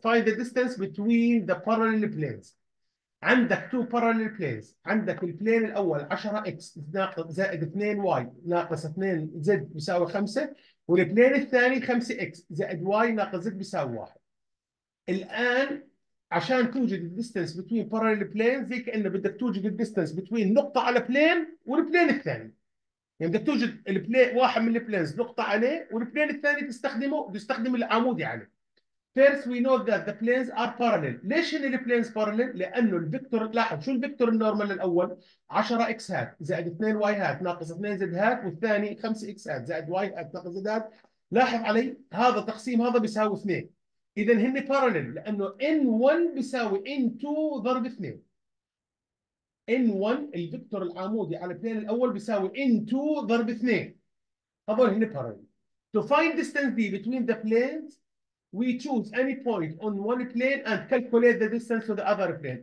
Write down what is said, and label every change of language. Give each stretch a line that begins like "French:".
English: Find the distance between the parallel planes.
Arabic: عندك تو بارلل بلينز، عندك البلين الاول 10 اكس ناقص زائد 2 واي ناقص 2 زد بيساوي 5، والبلين الثاني 5 اكس زائد واي ناقص زد بيساوي 1. الان عشان توجد
English: الديستنس between parallel planes
Arabic: زي كانه بدك توجد الديستنس بتوين نقطه على بلين والبلين الثاني، يعني بدك توجد البلين واحد من البلينز نقطه عليه والبلين الثاني تستخدمه، تستخدم العمودي عليه.
English: First we know that the planes are parallel.
Arabic: ليش ان البلينز بارلل؟ لانه الفيكتور، لاحظ شو الفيكتور النورمال الاول 10 اكس هات زائد 2 واي هات ناقص 2 زد هات، والثاني 5 اكس هات زائد واي هات ناقص زد هات. لاحظ علي هذا تقسيم هذا بيساوي 2، اذا هن بارلل لانه ان 1 بيساوي ان 2 ضرب 2. ان 1 الفيكتور العمودي على البلين الاول بيساوي ان 2 ضرب 2، هذول هن بارلل.
English: To find distance d between the planes we choose any point on one plane and calculate the distance to the other plane.